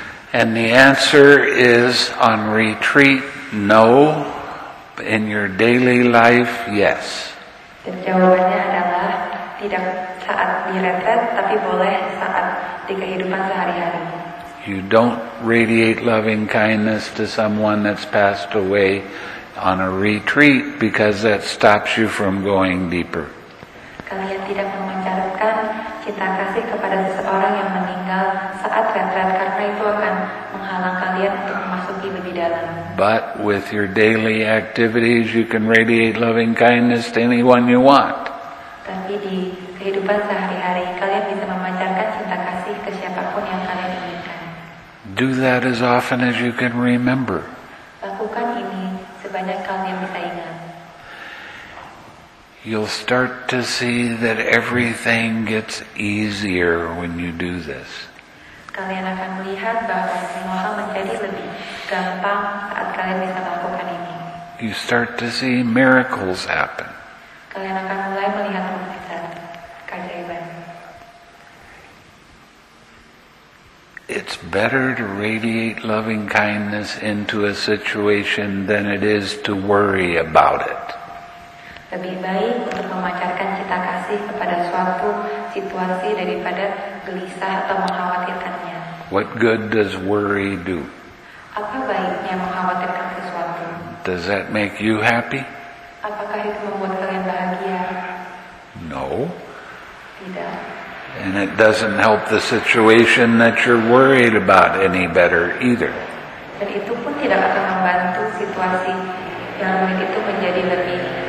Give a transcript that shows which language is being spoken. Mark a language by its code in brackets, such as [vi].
[en] And the answer is on retreat, no. In your daily life, yes. [id] Dan jawabannya adalah tidak saat di retreat, tapi boleh saat di kehidupan sehari-hari. [en] You don't radiate loving kindness to someone that's passed away on a retreat because that stops you from going deeper. [id] Kalian tidak memancarkan cinta kasih kepada seseorang yang meninggal saat retreat karena itu akan menghalang kalian untuk memasuki lebih dalam. [en] But with your daily activities, you can radiate loving kindness to anyone you want. [id] Tapi di kehidupan sehari-hari, kalian bisa memancarkan cinta kasih ke siapapun yang kalian inginkan. [en] Do that as often as you can remember. [id] Lakukan ini sebanyak kalian bisa ingat. [en] You'll start to see that everything gets easier when you do this. [id] Kalian akan melihat bahwa semua hal menjadi lebih gampang saat kalian bisa melakukan ini. [en] You start to see miracles happen. [id] Kalian akan mulai melihat mujizat, keajaiban. [en] It's better to radiate loving kindness into a situation than it is to worry about it. [id] Lebih baik untuk memancarkan cinta kasih kepada suatu situasi daripada gelisah atau mengkhawatirkannya. [en] What good does worry do? [id] Apa baiknya mengkhawatirkan sesuatu? [en] Does that make you happy? [id] Apakah itu membuat kalian bahagia? [en] No. [id] Tidak. [en] And it doesn't help the situation that you're worried about any better either. [id] Dan itu pun tidak akan membantu situasi yang begitu menjadi lebih.